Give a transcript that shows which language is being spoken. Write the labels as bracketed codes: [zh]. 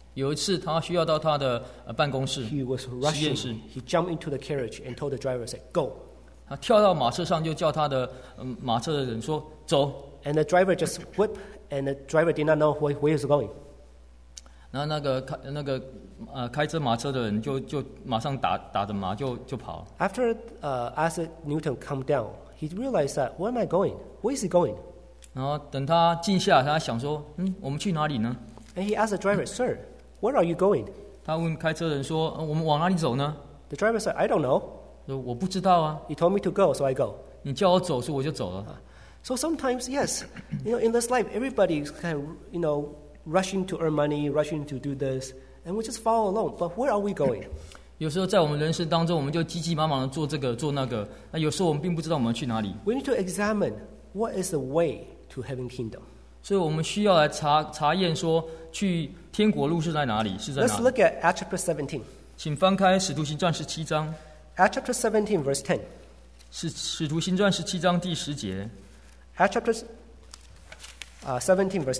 [zh] 有一次他需要到他的办公室。 [en] He was rushing. [zh] 实验室。 [en] He jumped into the carriage and told the driver, "Say go." [zh] 他跳到马车上就叫他的马车的人说走。 [en] And the driver just whipped, and the driver did not know where he was going. [zh] 那个。开车马车的人就马上打着马就跑。 [en] After Isaac Newton calmed down, he realized that where am I going? Where is he going? [zh] 然后等他静下，他想说，我们去哪里呢 [en] ？And he asked the driver, "Sir, where are you going?" [zh] 他问开车人说，我们往哪里走呢 [en] ？The driver said, "I don't know." [zh] 说我不知道啊。 [en] He told me to go, so I go. [zh] 你叫我走，所以我就走了。 [en] So sometimes, yes, you know, in this life, everybody is kind of, you know, rushing to earn money, rushing to do this. And we just follow along. But where are we going? [zh] 有时候在我们人生当中，我们就急急忙忙的做这个做那个。那有时候我们并不知道我们要去哪里。 [en] We need to examine what is the way to heaven kingdom. [zh] 所以我们需要来查验说去天国路是在哪里，是在哪里。 [en] Let's look at Acts chapter 17. [zh] 请翻开《使徒行传》十七章。 [en] Acts chapter 17, verse 10. [zh] 是《使徒行传》十七章第十节。 [en] Acts chapter 17, verse 10.